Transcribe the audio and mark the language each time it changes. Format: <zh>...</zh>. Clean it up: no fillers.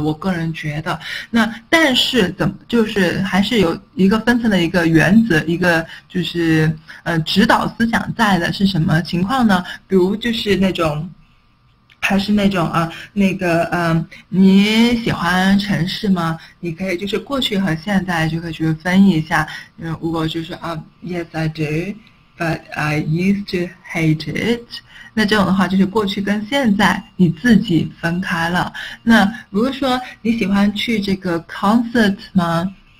<zh>我个人觉得，那但是怎么就是还是有一个分层的一个原则，一个就是指导思想在的是什么情况呢？比如就是那种。还是那种啊，那个你喜欢城市吗？你可以就是过去和现在就可以去分一下。如果就是</zh> <en>Yes, I do, but I used to hate it.</en> <zh>那这种的话就是过去跟现在你自己分开了。那如果说你喜欢去这个 concert 吗？</zh>